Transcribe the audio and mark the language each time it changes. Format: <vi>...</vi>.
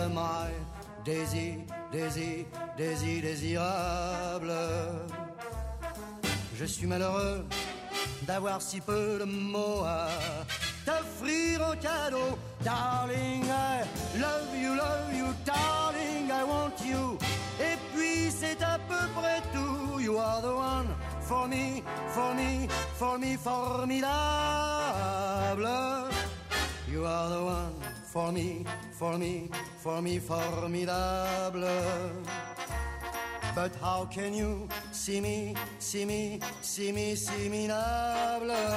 <fr>My désir, désir, désir, désirable. Je suis malheureux d'avoir si peu de mots à t'offrir en cadeau.</fr> <en>Darling, I love you, darling, I want you.</en> <fr>Et puis c'est à peu près tout.</fr> <en>You are the one for me, for me, for me, formidable. You are the one for me, for me, for me, formidable. But how can you see me, see me, see me, see me, noble?</en>